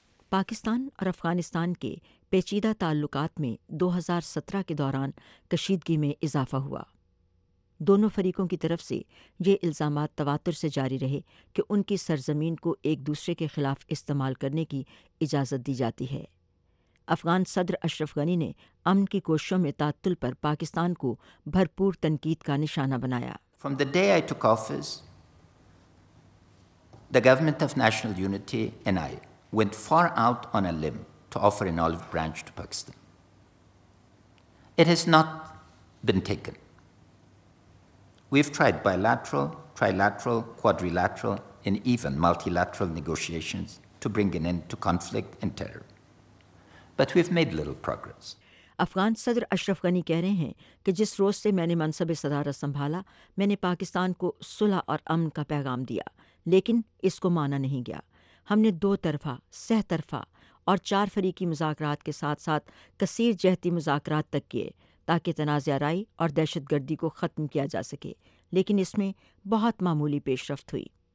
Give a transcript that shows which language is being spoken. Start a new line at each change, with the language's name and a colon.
Urdu: پاکستان اور افغانستان کے پیچیدہ تعلقات میں 2017 کے دوران کشیدگی میں اضافہ ہوا۔ دونوں فریقوں کی طرف سے یہ الزامات تواتر سے جاری رہے کہ ان کی سرزمین کو ایک دوسرے کے خلاف استعمال کرنے کی اجازت دی جاتی ہے۔ افغان صدر اشرف غنی نے امن کی کوششوں میں تعطل پر پاکستان کو بھرپور تنقید کا نشانہ بنایا۔
English: From the day I took office, the government of national unity and I went far out on a limb to offer an olive branch to Pakistan. It has not been taken. We've tried bilateral, trilateral, quadrilateral, and even multilateral negotiations to bring an end to conflict and terror. But we've made little progress.
Urdu: Afghan صدر اشرف غنی کہہ رہے ہیں کہ جس روز سے میں نے منصب صدارت سنبھالا، میں نے پاکستان کو صلح اور امن کا پیغام دیا، لیکن اس کو مانا نہیں گیا۔ ہم نے دو طرفہ، سہ طرفہ اور چار فریقی مذاکرات کے ساتھ ساتھ کثیر جہتی مذاکرات تک کیے تاکہ تنازع آرائی اور دہشت گردی کو ختم کیا جا سکے، لیکن اس میں بہت معمولی پیش رفت ہوئی۔